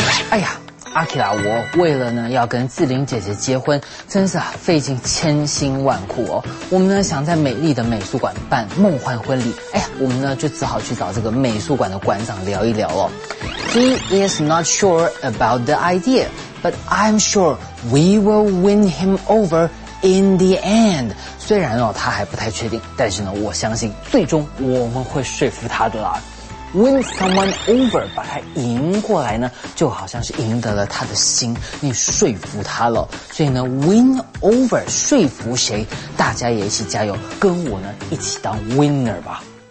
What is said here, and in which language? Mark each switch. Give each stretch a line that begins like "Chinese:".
Chinese: 哎呀阿基拉，我为了呢要跟志玲姐姐结婚，真是费尽千辛万苦哦。我们呢想在美丽的美术馆办梦幻婚礼，哎呀，我们呢就只好去找这个美术馆的馆长聊一聊哦。
English: He is not sure about the idea, but I'm sure we will win him over in the end.
Chinese: 虽然哦他还不太确定，但是呢我相信最终我们会说服他的啦。
English: Win someone over,
Chinese: 把他赢过来呢，就好像是赢得了他的心，你说服他了。所以呢 ，win over 说服谁，大家也一起加油，跟我呢一起当 winner 吧。